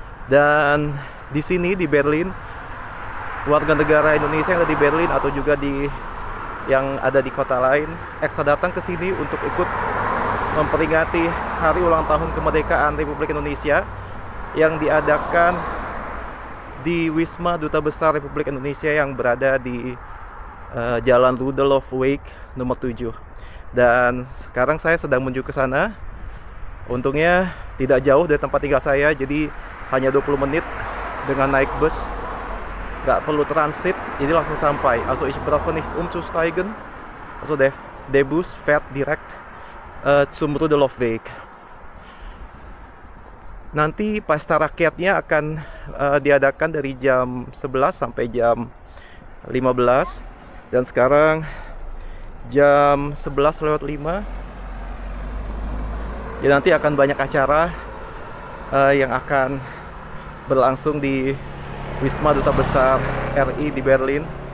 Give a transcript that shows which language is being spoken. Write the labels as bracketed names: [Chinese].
[Indonesian] Dan di sini di Berlin, warga negara Indonesia yang ada di Berlin atau juga di yang ada di kota lain ekstra datang ke sini untuk ikut memperingati hari ulang tahun kemerdekaan Republik Indonesia yang diadakan di Wisma Duta Besar Republik Indonesia yang berada di Jalan Rudolf Weg nomor 7. Dan sekarang saya sedang menuju ke sana. Untungnya tidak jauh dari tempat tinggal saya, jadi hanya 20 menit dengan naik bus. Gak perlu transit, jadi langsung sampai. [German] Also ich brauche nicht umzusteigen. Also der Bus fährt direkt zum Rudolf Weg. [Indonesian] Nanti pesta rakyatnya akan diadakan dari jam 11 sampai jam 15. Dan sekarang jam 11 lewat 5. Ya, nanti akan banyak acara yang akan berlangsung di Wisma Duta Besar RI di Berlin.